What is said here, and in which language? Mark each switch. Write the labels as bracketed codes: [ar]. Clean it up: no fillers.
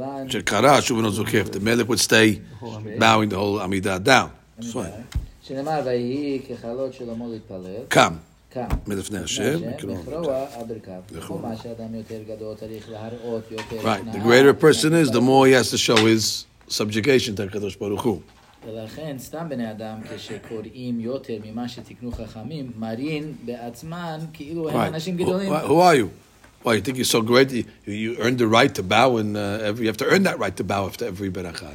[en] The Melech would stay bowing the whole Amidah down. Right, the greater a person is, the more he has to show his subjugation to HaKadosh Baruch Hu. [he] ולכן סתם בני אדם כשקוראים יותר ממה שתקנו חכמים מרין בעצמן כאילו הם אנשים גדולים. [en] Who are you? Why you think you're so great? You earned the right to bow and you have to earn that right to bow after every beracha.